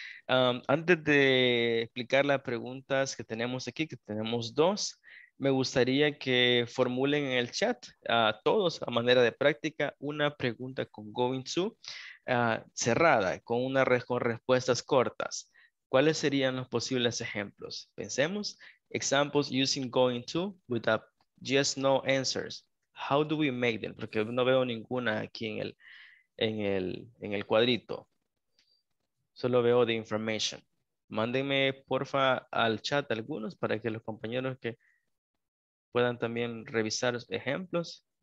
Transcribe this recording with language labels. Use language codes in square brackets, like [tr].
[es] Antes de explicar las preguntas que tenemos aquí, que tenemos dos, me gustaría que formulen en el chat a todos, a manera de práctica, una pregunta con going to cerrada, con una con respuestas cortas. ¿Cuáles serían los posibles ejemplos? Pensemos, [en] examples using going to with a yes, no answers. How do we make them? [es] Porque no veo ninguna aquí en el, en el, en el cuadrito. Solo veo [en] the information. [es] Mándenme, porfa, al chat algunos para que los compañeros que puedan también revisar ejemplos.